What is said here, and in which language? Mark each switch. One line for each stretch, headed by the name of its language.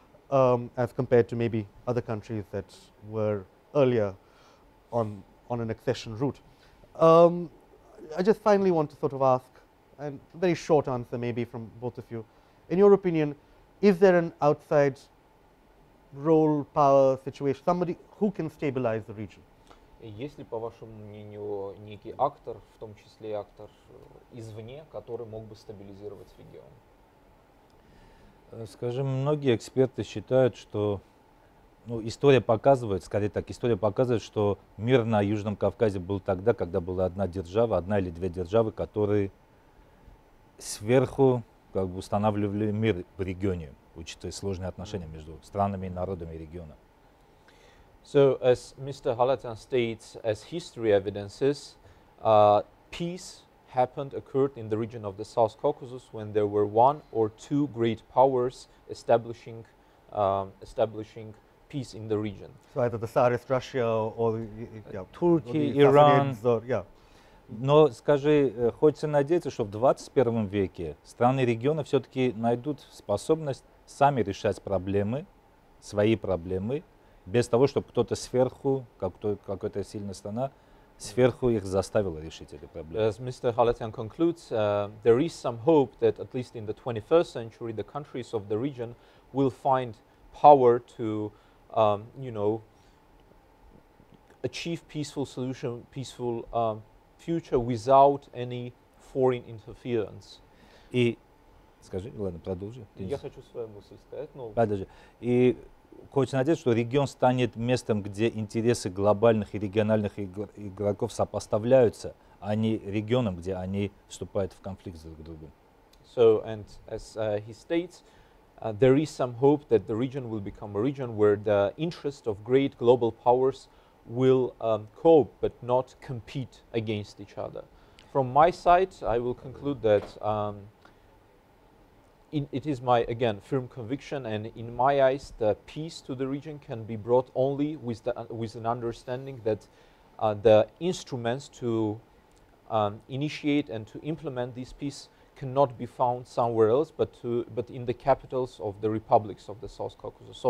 English: as compared to maybe other countries that were earlier on an accession route. I just finally want to sort of ask, and a very short answer maybe from both of you, in your opinion, is there an outside role, power, situation, somebody who can stabilize the region?
Russian: Есть ли, по вашему мнению, некий актор, в том числе и актор извне, который мог бы стабилизировать регион? Скажем, многие эксперты считают, что, ну, история показывает, что мир на Южном Кавказе был тогда, когда была одна держава, одна или две державы, которые сверху как бы устанавливали мир в регионе, учитывая сложные отношения между странами и народами региона.
English: So, as Mr. Khalatyan states, as history evidences, peace occurred in the region of the South Caucasus when there were one or two great powers establishing peace in the region. So either the Tsarist Russia or Turkey, or the Iran. Or, yeah.
Russian: Но скажи, хочется надеяться, что в 21 веке страны региона все-таки найдут способность сами решать проблемы, свои проблемы, без того, чтобы кто-то сверху, какая-то сильная страна, сверху их заставило решить эти проблемы.
English: As Mr. Khalatyan concludes, there is some hope that at least in the 21st century the countries of the region will find power to, you know, achieve peaceful solution, peaceful future without any foreign interference.
Russian: И скажи, ладно, продолжи. Я хочу свою мысль сказать, но... Подожди. И хочется надеяться, что регион станет местом, где интересы глобальных и региональных игроков сопоставляются, а не регионом, где они вступают в конфликт друг с другом.
English: So, and as he states, there is some hope that the region will become a region where the interests of great global powers will cope, but not compete against each other. From my side, I will conclude that it is my, again, firm conviction, and in my eyes, the peace to the region can be brought only with the with an understanding that the instruments to initiate and to implement this peace cannot be found somewhere else, but in the capitals of the republics of the South Caucasus.